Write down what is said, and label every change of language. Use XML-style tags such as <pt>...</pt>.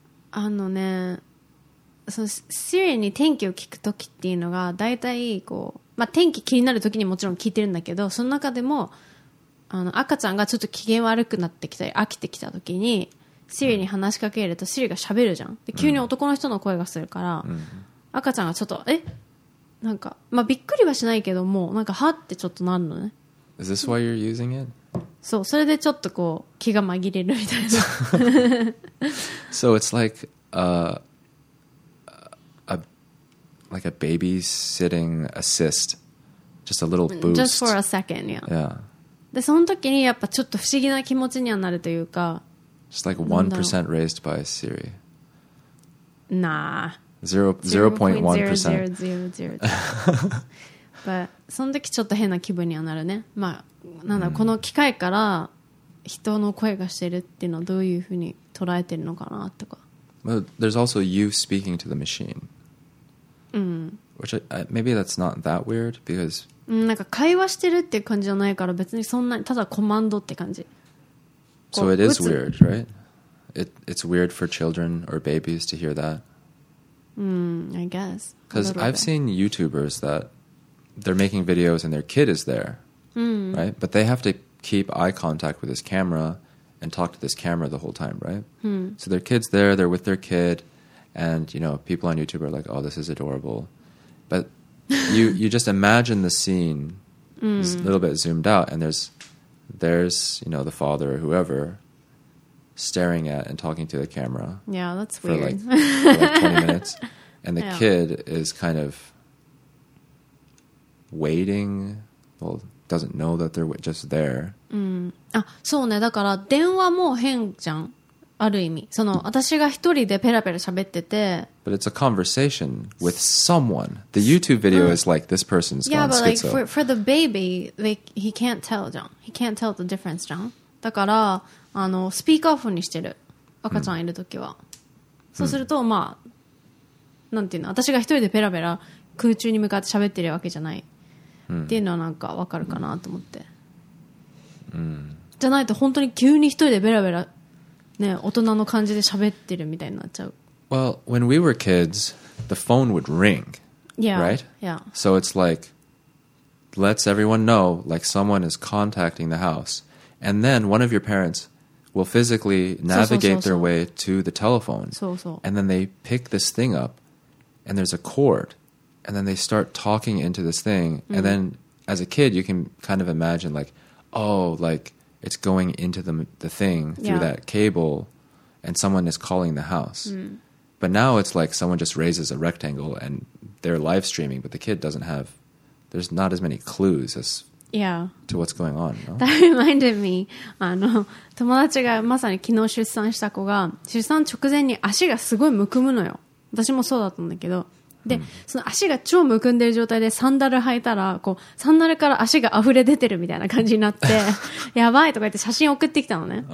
<ja>あのね、その Siri に天気を聞くときっていうのが大体こう、まあ、天気気になるときにもちろん聞いてるんだけど、その中でもあの赤ちゃんがちょっと機嫌悪くなってきたり飽きてきたときに Siri に話しかけると Siri が喋るじゃん。で急に男の人の声がするから、うん、赤ちゃんがちょっとえなんか、まあ、びっくりはしないけどもなんかはってちょっとなるのね。</ja> <en>Is this why you're using it?</en> <ja>そう、それでちょっとこう気が紛れるみたいな。</ja> <en>So it's like a babysitting assist, just a little boost. Just for a second, yeah. Yeah.</en> <ja>で、その時にやっぱちょっと不思議な気持ちにはなるというか。</ja> <en>Just like 1% raised by Siri. Nah. 0.1%.</en> <ja>その時ちょっと変な気分にはなるね。まあ。なんだ、うん、この機械から人の声がしてるっていうのはどういうふうに捉えてるのかなとか。</ja> <en>Well, there's also you speaking to the machine.</en> <ja>うん。</ja> <en>Which maybe that's not that weird because.</en> <ja>うん、なんか会話してるっていう感じじゃないから別にそんなにただコマンドって感じ。</ja> <en>So it is weird, right? It's weird for children or babies to hear that. うん、I guess. Because I've seen YouTubers that they're making videos and their kid is there. Mm. Right, but they have to keep eye contact with this camera and talk to this camera the whole time, right? Mm. So their kid's there, they're with their kid, and you know, people on YouTube are like, "Oh, this is adorable." But you just imagine the scene, is a little bit zoomed out, and there's you know the father or whoever staring at and talking to the camera. Yeah, that's for weird. For like 20 minutes, and the kid is kind of waiting. Well. Doesn't know that they're just there.</en> <ja>あ、そうね。だから電話も変じゃん。ある意味、その私が一人でペラペラ喋ってて。</ja> <en>But it's a conversation with someone. The YouTube video is like this person's gone schizo. Yeah, but like for the baby, like he can't tell,</en> <ja>じゃん。</ja> <en>He can't tell the difference,</en> <ja>じゃん。だからあのスピーカーフォンにしてる。赤ちゃんいるときは。そうするとまあなんていうの、私が一人でペラペラ空中に向かって喋ってるわけじゃない。っていうのはなんかわかるかなと思って、うん、じゃないと本当に急に一人でベラベラ、ね、大人の感じで喋ってるみたいになっちゃう。</ja> <en>Well, when we were kids, the phone would ring. Yeah. Right? Yeah. So it's like lets everyone know like someone is contacting the house. And then one of your parents will physically navigate their way to the telephone.</en> <ja>そうそう。</ja> <en>And then they pick this thing up and there's a cord. And then they start talking into this thing. Mm. And then as a kid, you can kind of imagine like, oh, like it's going into the thing through that cable and someone is calling the house. Mm. But now it's like someone just raises a rectangle and they're live streaming, but the kid doesn't have, there's not as many clues as to what's going on. No? That reminded me.</en> <ja>あの、友達がまさに昨日出産した子が、出産直前に足がすごいむくむのよ。私もそうだったんだけど。で、その足が超むくんでる状態でサンダル履いたら、こう、サンダルから足が溢れ出てるみたいな感じになって、やばいとか言って写真送ってきたのね。</ja>